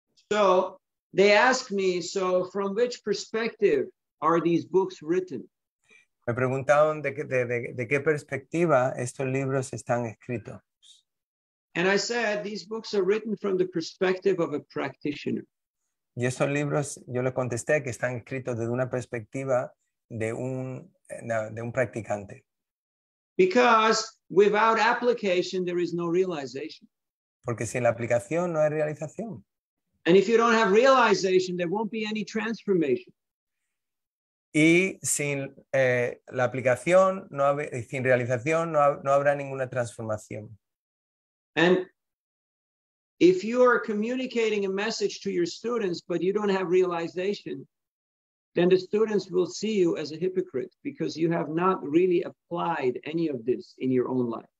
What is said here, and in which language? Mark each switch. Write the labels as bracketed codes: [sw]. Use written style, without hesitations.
[en] So they asked me, so from which perspective are these books written? [es] Me preguntaron de qué perspectiva estos libros están escritos. [en] And I said, these books are written from the perspective of a practitioner. [es] Y estos libros, yo le contesté que están escritos desde una perspectiva de un practicante. [en] Because without application, there is no realization. [es] Porque sin la aplicación, no hay realización. [en] And if you don't have realization, there won't be any transformation. [es] Y sin la aplicación, sin realización, no habrá ninguna transformación. [en] And if you are communicating a message to your students, but you don't have realization, then the students will see you as a hypocrite because you have not really applied any of this in your own life.